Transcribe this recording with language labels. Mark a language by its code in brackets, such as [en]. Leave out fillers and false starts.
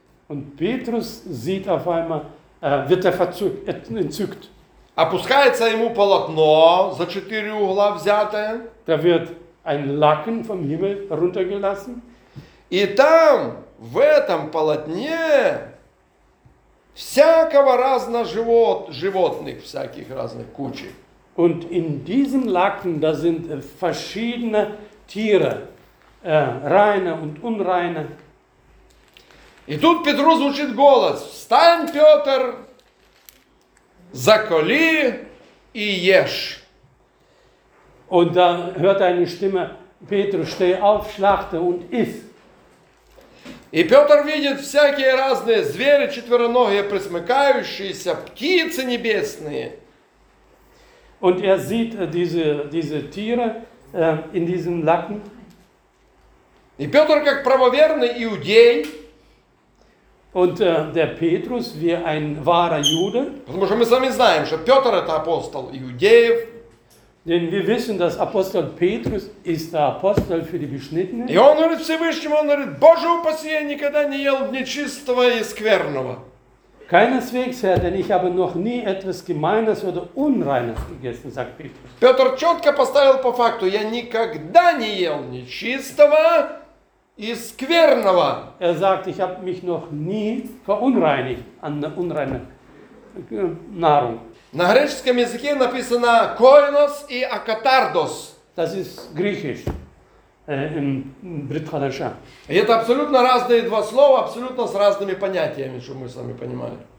[de] Und Petrus sieht auf einmal, wird er verzückt, entzückt. [ru] Опускается ему полотно за четыре угла взятое. [de] Da wird ein Lacken vom Himmel runtergelassen. [ru] И там, в этом полотне, всякого разного животных, всяких разных кучи. [de] Und in diesem Lacken, da sind verschiedene Tiere, reine und unreine. [ru] И тут Петру звучит голос: встань, Петр, заколи и ешь. [de] Und dann hört eine Stimme: Petru, steh auf, schlachte und iss. [ru] И Петр видит всякие разные звери, четвероногие, пресмыкающиеся, птицы небесные. [de] Und er sieht diese Tiere in diesem Lacken. [ru] И Петр как правоверный иудей. [de] Und der Petrus wie ein wahrer Jude. [ru] Потому что мы сами знаем, что Петр это апостол иудеев. [de] Denn wir wissen, dass Apostel Petrus ist der Apostel für die Beschnittenen. [ru] И он говорит Всевышнему, он говорит: Боже упаси, я никогда не ел нечистого и скверного. [de] Keineswegs, Herr, denn ich habe noch nie etwas Gemeines oder Unreines gegessen, sagt Petrus. [ru] Петр четко поставил по факту: я никогда не ел нечистого и скверного. [de] Er sagt, ich habe mich noch nie verunreinigt an der unreinen Nahrung. [ru] На греческом языке написано «коинос» и «акатардос». [de] Das ist griechisch, im Brit-Hadasha. [ru] И это абсолютно разные два слова, абсолютно с разными понятиями, чтобы мы с вами понимали.